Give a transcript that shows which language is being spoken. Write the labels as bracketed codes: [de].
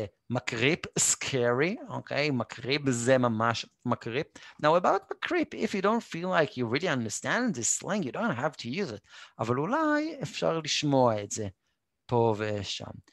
[he] מקריפ, [en] scary, [he] okay, מקריפ זה ממש מקריפ. [en] Now about מקריפ, if you don't feel like you really understand this slang, you don't have to use it. [he] אבל אולי אפשר לשמוע את זה פה ושם.